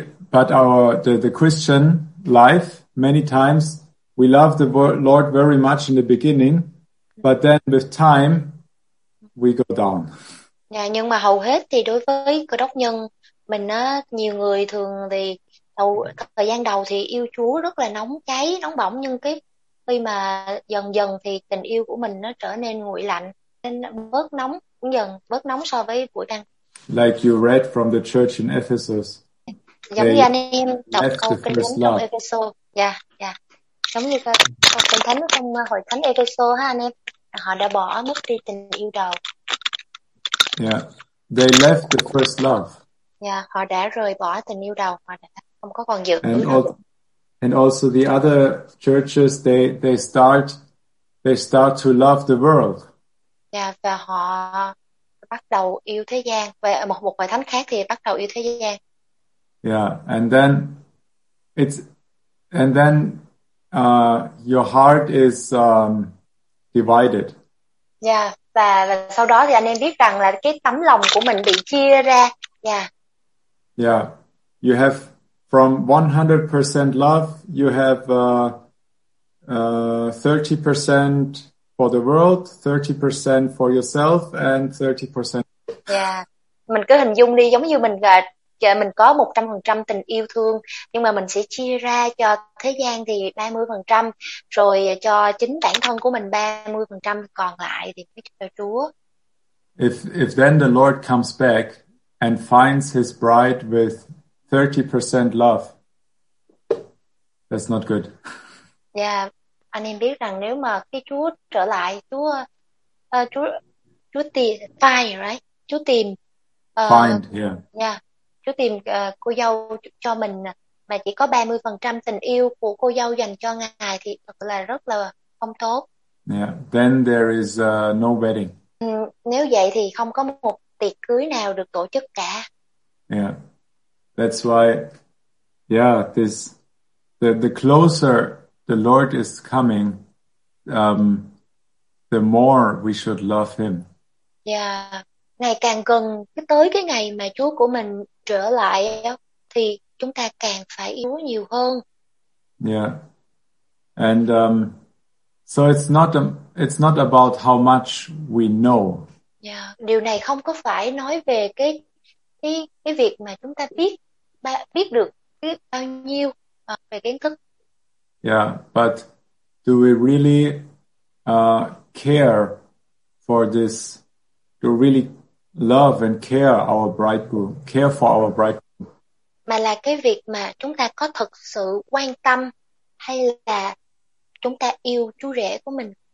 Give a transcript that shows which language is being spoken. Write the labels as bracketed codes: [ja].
[en] But our Christian life, many times we love the Lord very much in the beginning, but then with time we go down. [vi] Yeah, nhưng mà hầu hết thì đối với cơ đốc nhân mình á, nhiều người thường thì thời gian đầu thì yêu Chúa rất là nóng cháy, nóng bỏng, nhưng cái khi mà dần dần thì tình yêu của mình nó trở nên nguội lạnh, nên bớt nóng, cũng dần bớt nóng so với buổi đăng. [en] Like you read from the church in Ephesus. [vi] Giống như anh em đọc câu kinh thánh trong Ephesus. Yeah, yeah. Giống như câu kinh thánh trong hội thánh Ephesus ha anh em. Họ đã bỏ mất đi tình yêu đầu. [en] Yeah, they left the first love. [vi] Yeah, họ đã rời bỏ tình yêu đầu, họ đã không có còn giữ. [en] And also the other churches, they start to love the world. [vi] Yeah, và họ bắt đầu yêu thế gian. Và một vài thánh khác thì bắt đầu yêu thế gian. [en] Yeah, and then your heart is divided. [vi] Yeah, và sau đó thì anh em biết rằng là cái tấm lòng của mình bị chia ra. Yeah. [en] Yeah, you have. From 100% love, you have 30% for the world, 30% for yourself, and 30%. [vi] Yeah, mình cứ hình dung đi giống như mình có 100% tình yêu thương, nhưng mà mình sẽ chia ra cho thế gian thì 30%, rồi cho chính bản thân của mình 30%, còn lại thì cho Chúa. [en] If then the Lord comes back and finds His bride with 30% love. That's not good. [vi] Yeah, anh em biết rằng nếu mà khi Chúa trở lại, Chúa tìm [en] find, right? [vi] Chúa tìm [en] find, yeah. [vi] Yeah, Chúa tìm cô dâu cho mình mà chỉ có 30% tình yêu của cô dâu dành cho ngài thì thật là rất là không tốt. [en] Yeah, then there is no wedding. [vi] Nếu vậy thì không có một tiệc cưới nào được tổ chức cả. Yeah. [en] That's why, yeah, the closer the Lord is coming, the more we should love Him. [vi] Yeah, ngày càng gần tới cái ngày mà Chúa của mình trở lại thì chúng ta càng phải yêu nhiều hơn. [en] Yeah, and so it's not about how much we know. [vi] Yeah, điều này không có phải nói về cái việc mà chúng ta biết được biết bao nhiêu về kiến thức. [en] Yeah, but do we really care for this? Do we really love and care for our bridegroom? [vi] mà là cái việc mà chúng ta có thực sự quan tâm hay là chúng ta yêu chú rể của mình.